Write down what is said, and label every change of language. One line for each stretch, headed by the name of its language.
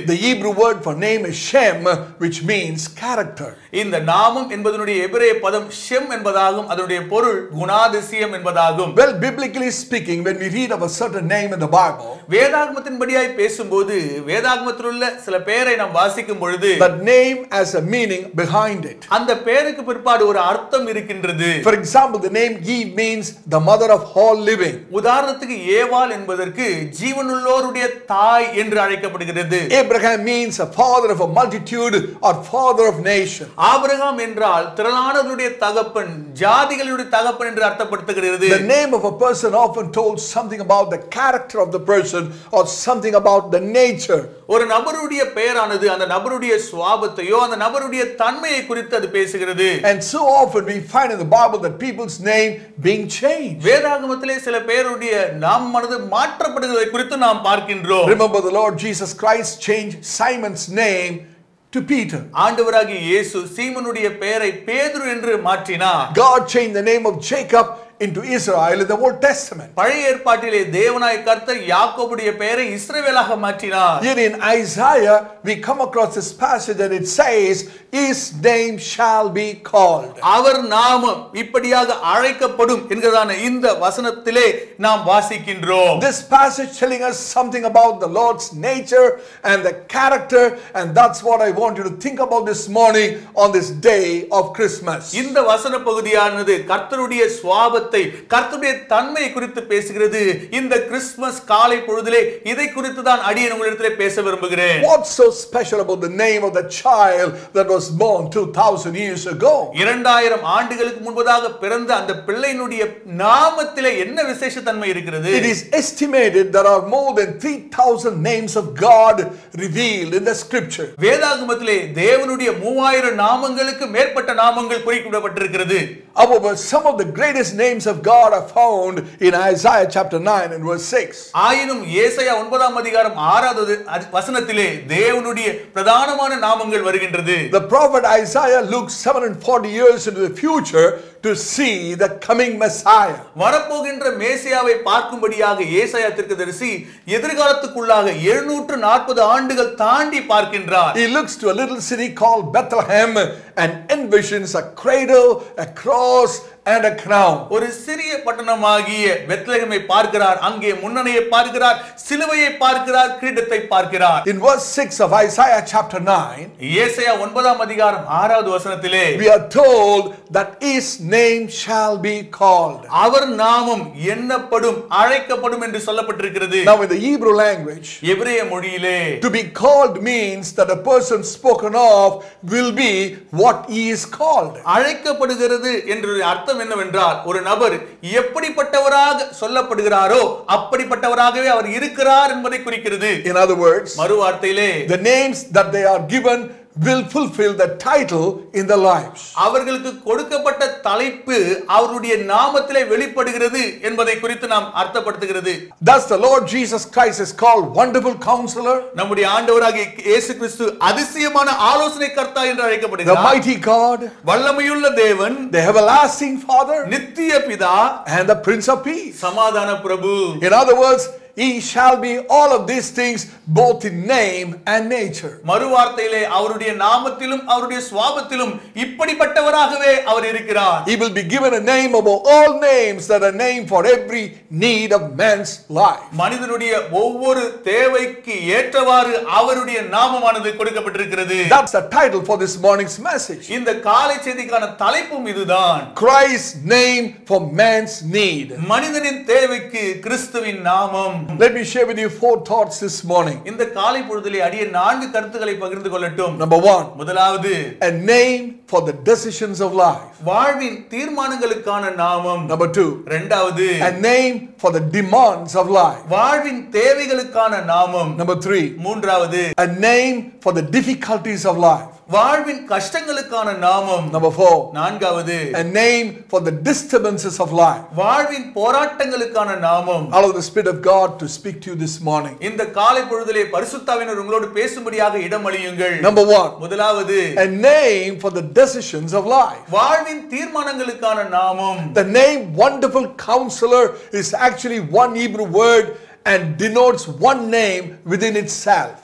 English: The Hebrew word for name is Shem, which means character.
Tamil: இந்த நாமம் என்பதனுடைய எபிரேய பதம் ஷெம் என்பதாகும், அதனுடைய பொருள் குணாதிசயம் என்பதாகும்.
English: Well, biblically speaking, when we read of a certain name in the Bible,
Tamil: வேதாகமத்தின்படியாய் பேசும்போது வேதாகமத்திலுள்ள சில பெயரை நாம் வாசிக்கும் பொழுது
English: that name has a meaning behind it.
Tamil: அந்த பெயருக்கு பிற்பாடு ஒரு அர்த்தம் இருக்கின்றது.
English: For example, the name Eve means the mother of all living.
Tamil: உதாரணத்துக்கு ஏவாள் என்பதற்கு ஜீவனுள்ளோருடைய தாய் என்று அழைக்கப்படுகிறது.
English: Abraham means a father of a multitude or father of nation.
Tamil: Abraham என்றால் திரளானவருடைய தகப்பன், ஜாதிகளுடைய தகப்பன் என்று அர்த்தப்படுத்துகிறது.
English: The name of a person often told something about the character of the person or something about the nature.
Tamil: ஒரு நபருடைய பெயரானது அந்த நபருடைய சுவாபத்தையோ அந்த நபருடைய தன்மையை குறித்து அது பேசுகிறது.
English: And so often we find in the Bible that people's name being changed.
Tamil: வேதாகமத்திலே சில பேருடைய நாம் மனது மாற்றப்படுகிறது குறித்து நாம் பார்க்கின்றோம்.
English: Remember the Lord Jesus Christ changed Simon's name to Peter.
Tamil: ஆண்டவராகிய இயேசு சீமோனுடைய பெயரை பேதுரு என்று மாற்றினார்.
English: God changed the name of Jacob into Israel in the Old Testament.
Tamil: பழைய ஏற்பாட்டிலே தேவனாய் கர்த்தர் யாக்கோபுடைய பெயரை இஸ்ரவேலாக மாற்றினார்.
English: Here in Isaiah we come across this passage and it says his name shall be called.
Tamil: அவர் நாமம் இப்படியாக அழைக்கப்படும் என்கிறதான இந்த வசனத்திலே நாம் வாசிக்கின்றோம்.
English: This passage telling us something about the Lord's nature and the character, and that's what I want you to think about this morning on this day of Christmas.
Tamil: இந்த வசன பகுதியானது கர்த்தருடைய சுபாவத்தை கர்த்தருடைய தன்மையை குறித்து பேசுகிறது. இந்த கிறிஸ்துமஸ் காலை பொழுதிலே இதை குறித்து தான் அடியேன் உங்களிடத்தில் பேச விரும்புகிறேன்.
English: What's so special about the name of the child that was born 2000 years ago?
Tamil: 2000 ஆண்டுகளுக்கு முன்பதாக பிறந்த அந்த பிள்ளையினுடைய நாமத்திலே என்ன விசேஷ தன்மை இருக்கிறது?
English: It is estimated there are more than 3000 names of God revealed in the scripture.
Tamil: வேதாகமத்திலே தேவனுடைய 3000 நாமங்களுக்கு மேற்பட்ட நாமங்கள் குறிக்கப்பட்டிருக்கிறது.
English: However, some of the greatest names of God are found in Isaiah chapter 9 and verse 6.
Tamil: ஆயினும் ஏசாயா 9வது அதிகாரம் 6வது வசனத்திலே தேவனுடைய பிரதானமான நாமங்கள் வருகின்றது.
English: The prophet Isaiah looks 740 years into the future to see the coming Messiah.
Tamil: வரப்போகின்ற மேசியாவை பார்க்கும்படியாக ஏசாயா தீர்க்கதரிசி எதிர்காலத்துக்குள்ளாக 740 ஆண்டுகள் தாண்டி பார்க்கின்றார்.
English: He looks to a little city called Bethlehem and envisions a cradle, a cross and a crown.
Tamil: ஒரு சிறிய பட்டணமாகிய பெத்லகேமை பார்க்கிறார், அங்கே முன்னணியை பார்க்கிறார், சிலுவையை பார்க்கிறார், கிரீடத்தை பார்க்கிறார்.
English: In verse 6 of Isaiah chapter 9,
Tamil: ஏசாயா 9வது அதிகாரம் 6வது வசனத்திலே
English: we are told that his name shall be called.
Tamil: அவர் நாமம் எண்ணப்படும், அழைக்கப்படும் என்று சொல்லப்பட்டிருக்கிறது.
English: Now in the Hebrew language,
Tamil: எபிரேய மொழியிலே
English: to be called means that a person spoken of will be what he is called.
Tamil: அழைக்கப்படுகிறது என்று என்னவென்றால் ஒரு நபர் எப்படிப்பட்டவராக சொல்லப்படுகிறாரோ அப்படிப்பட்டவராகவே அவர் இருக்கிறார் என்பதை குறிக்கிறது.
English: In other words,
Tamil: மறுவார்த்தையிலே
English: the names that they are given will fulfill the title in the lives.
Tamil: அவர்களுக்கு கொடுக்கப்பட்ட தலைப்பு அவருடைய நாமத்திலே வெளிப்படுகிறது என்பதை குறித்து நாம் அர்த்தப்படுத்துகிறது.
English: Thus the Lord Jesus Christ is called Wonderful Counselor.
Tamil: நம்முடைய ஆண்டவராகிய இயேசு கிறிஸ து அதிசயமான ஆலோசனைக்கர்த்தா என்று அழைக்கப்படுகிறார்.
English: The Mighty God.
Tamil: வல்லமையுள்ள தேவன்.
English: The Everlasting Father.
Tamil: நித்திய பிதா.
English: And the Prince of Peace.
Tamil: சமாதான பிரபு.
English: In other words, he shall be all of these things both in name and nature.
Tamil: மறுவார்த்தையிலே அவருடைய நாமத்திலும் அவருடைய சுபாவத்திலும் இப்படிப்பட்டவராகவே அவர் இருக்கிறார்.
English: He will be given a name above all names, that a name for every need of man's life.
Tamil: மனிதனுடைய ஒவ்வொரு தேவைக்கு ஏற்றவாறு அவருடைய நாமமானது கொடுக்கப்பட்டிருக்கிறது.
English: That's the title for this morning's message.
Tamil: இந்த காலை செய்திக்கான தலைப்பும் இதுதான்.
English: Christ's name for man's need.
Tamil: மனிதனின் தேவைக்கு கிறிஸ்துவின் நாமம்.
English: Let me share with you four thoughts this morning.
Tamil: இந்த காலை பொழுதிலே அடிய நான்கு கருத்துக்களை பகிர்ந்து கொள்ளட்டும்.
English: Number 1.
Tamil: முதலாவது,
English: a name for the decisions of life.
Tamil: வாழ்வின் தீர்மானங்களுக்கான நாமம்.
English: Number 2.
Tamil: இரண்டாவது,
English: a name for the demands of life.
Tamil: வாழ்வின் தேவைகளுக்கான நாமம்.
English: Number 3.
Tamil: மூன்றாவது,
English: a name for the difficulties of life.
Tamil: வாழ்வின் கஷ்டங்களுக்கான நாமம்.
English: Number 4.
Tamil: நான்காவது,
English: a name for the disturbances of life.
Tamil: வாழ்வின் போராட்டங்களுக்கான நாமம்.
English: Allow the Spirit of God to speak to you this morning.
Tamil: இந்த காலை பொழுதிலே பரிசுத்தாவினர் உங்களோடு பேசும்படியாக இடமளியுங்கள்.
English: Number 1.
Tamil: முதலாவது,
English: a name for the decisions of life.
Tamil: வாழ்வின் தீர்மானங்களுக்கான நாமம்.
English: The name Wonderful Counselor is actually one Hebrew word and denotes one name within itself.